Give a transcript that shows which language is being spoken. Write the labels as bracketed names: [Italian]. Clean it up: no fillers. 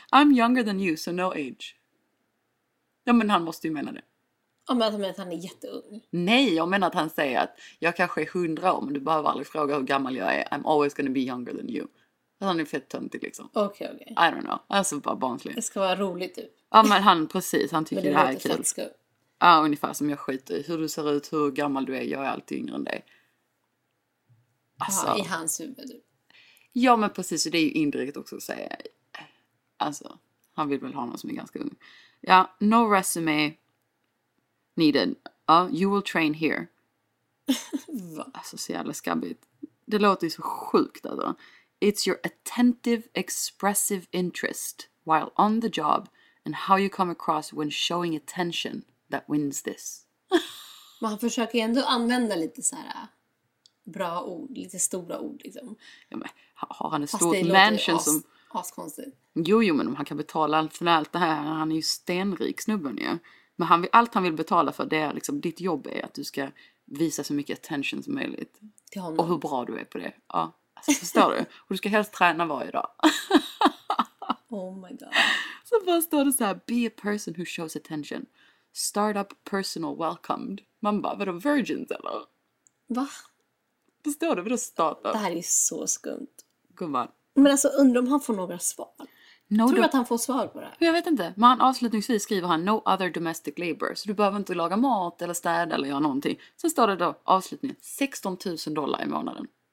[English] I'm younger than you, so no age. [Swedish] Ja, men han måste ju mena det. Jag menar att han är jätteung. Nej, jag menar att han säger att jag kanske är 100 år, men du behöver aldrig fråga hur gammal jag är. [English] I'm always gonna be younger than you. [Swedish] Att han är fett töntig liksom. Okej, okej. [English] I don't know. [Swedish] Alltså bara barnslig. Det ska vara roligt typ. Ja, men han precis. Han tycker det här är kul. Men det låter fett. Ja, ungefär som jag skiter i. Hur du ser ut, hur gammal du är. Jag är alltid yngre än dig. Alltså. Aha, i hans huvud. Ja, men precis. Och det är ju indirekt också att säga. Alltså, han vill väl ha någon som är ganska ung. [English] Ja, no resume. Needed. You will train here. [Swedish] Alltså så jävla skabbigt. Det låter ju så sjukt alltså. [English] It's your attentive, expressive interest while on the job and how you come across when showing attention that wins this. [Swedish] Men han försöker ju ändå använda lite så här bra ord, lite stora ord liksom. Ja, men har han en stor mansion som... Askonstigt. Jo, men om han kan betala allt för allt det här, han är ju stenrik snubben ju. Ja. Men han, allt han vill betala för, det är liksom, ditt jobb är att du ska visa så mycket attention som möjligt. Till honom. Och hur bra du är på det. Ja, alltså, förstår du? Och du ska helst träna varje dag. Oh my god. Så bara står det så här, [English] be a person who shows attention. Start up personal welcomed. [Swedish] Man bara, vadå, virgins eller? Va? Förstår du, vadå start up? Det här är så skumt. Gumman. Men alltså, undrar om han får några svar. No, tror du att han får svar på det? Jag vet inte. Men avslutningsvis skriver han [English] no other domestic labor. [Swedish] Så du behöver inte laga mat eller städa eller göra någonting. Sen står det då avslutningen $16,000 i månaden.